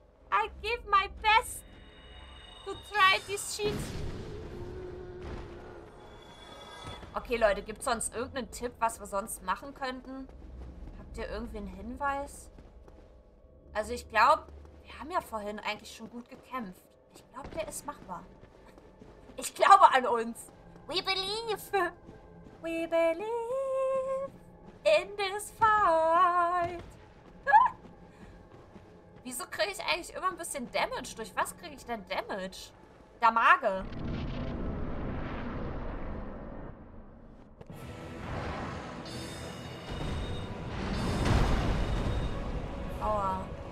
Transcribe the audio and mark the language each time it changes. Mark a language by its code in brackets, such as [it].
[en] I give my best to try this shit. [de] Okay, Leute, gibt's sonst irgendeinen Tipp, was wir sonst machen könnten? Habt ihr irgendwie einen Hinweis? Also ich glaube, wir haben ja vorhin eigentlich schon gut gekämpft. Ich glaube, der ist machbar. Ich glaube an uns. [en] We believe. We believe in this fight. [de] Wieso kriege ich eigentlich immer ein bisschen Damage? Durch was kriege ich denn Damage? Der Mage. Aua.